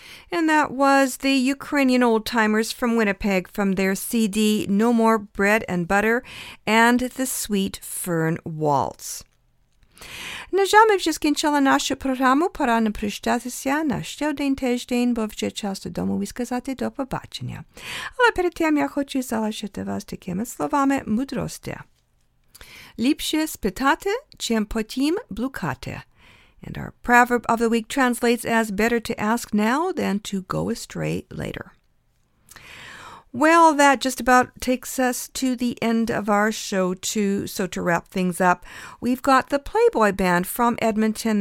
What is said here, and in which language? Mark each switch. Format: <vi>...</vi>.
<en>The Ukrainian Old Timers from Winnipeg from their CD No More Bread and Butter and the Sweet Fern Waltz.</en> <uk>Нажав ми вже скінчила нашу програму, пора не прощатися на ще один тиждень, бо вже час додому і сказати до побачення. Але перед тим я хочу залишити вас такими словами мудрості. Ліпше спитати, чим потім блукати.</uk> <en>And our proverb of the week translates as better to ask now than to go astray later. Well, that just about takes us to the end of our show, too. So to wrap things up, we've got the Playboy Band from Edmonton.</en>